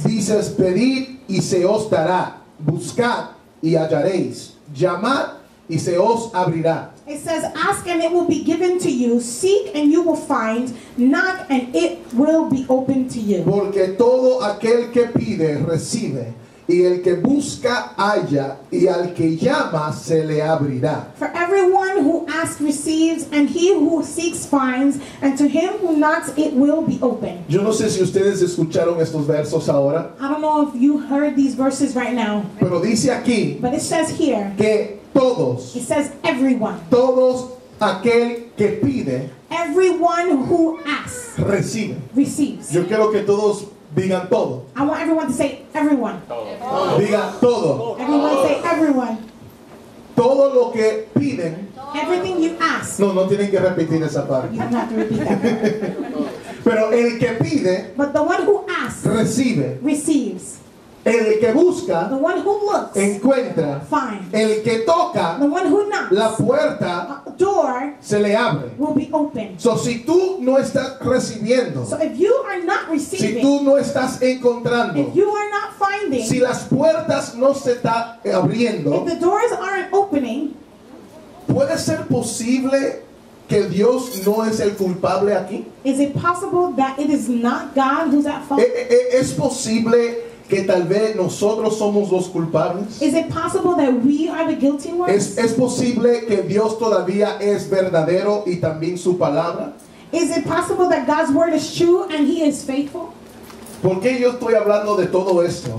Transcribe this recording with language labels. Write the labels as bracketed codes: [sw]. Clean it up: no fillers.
[es] dices, pedid y se os dará, buscad y hallaréis, llamad y se os abrirá. [en] It says, ask and it will be given to you, seek and you will find, knock and it will be opened to you. [es] Porque todo aquel que pide, recibe, y el que busca, halla, y al que llama, se le abrirá. [en] For everyone who asks, receives, and he who seeks, finds, and to him who knocks, it will be open. [es] Yo no sé si ustedes escucharon estos versos ahora. [en] I don't know if you heard these verses right now. [es] Pero dice aquí, [en] but it says here, [es] que todos, [en] it says everyone, [es] todos aquel que pide, [en] everyone who asks, [es] recibe, [en] receives. [es] Yo quiero que todos digan todo. [en] I want everyone to say everyone. [es] Todo. Diga todo. [en] Everyone say everyone. [es] Todo lo que piden. [en] Everything you ask. [es] No, no tienen que repetir esa parte. [en] You don't have to repeat that. [es] Pero el que pide. [en] But the one who asks. [es] Recibe. [en] Receives. [es] El que busca. [en] The one who looks. [es] Encuentra. [en] Finds. [es] El que toca. [en] The one who knocks. [es] La puerta. [en] Door [es] se le abre. [en] Will be open. So [es] si tú no estás recibiendo, [en] so if you are not receiving, [es] si tú no estás encontrando, [en] if you are not finding, [es] si las puertas no se está abriendo, [en] if the doors aren't opening, [es] puede ser posible que Dios no es el culpable aquí. [en] Is it possible that it is not God who's at fault? [es] Es posible que tal vez nosotros somos los culpables. [en] Is it possible that we are the guilty ones? [es] Es posible que Dios todavía es verdadero y también su palabra. [en] Is it possible that God's word is true and he is faithful? [es] ¿Por qué yo estoy hablando de todo esto?